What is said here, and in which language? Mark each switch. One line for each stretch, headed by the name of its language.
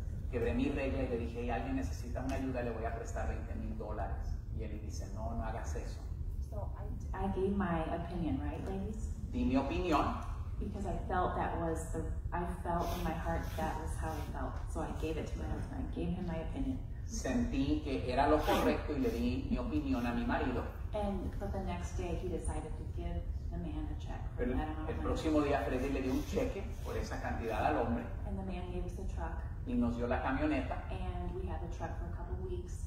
Spanish: Quebré mi regla y le dije, hey, alguien necesita una ayuda, le voy a prestar $20,000. Y él dice, no, no hagas eso.
English: So I gave my opinion, right, ladies?
Spanish: Di mi opinión.
English: Because I felt that was the, I felt in my heart that was how I felt. So I gave it to my husband. I gave him my opinion.
Spanish: Sentí que era lo correcto y le di mi opinión a mi marido.
English: And for the next day, he decided to give the man a check.
Spanish: El próximo día, Freddy le dio un cheque por esa cantidad al hombre.
English: And the man gave us the truck.
Spanish: Y nos dio la camioneta.
English: And we had the truck for a couple weeks.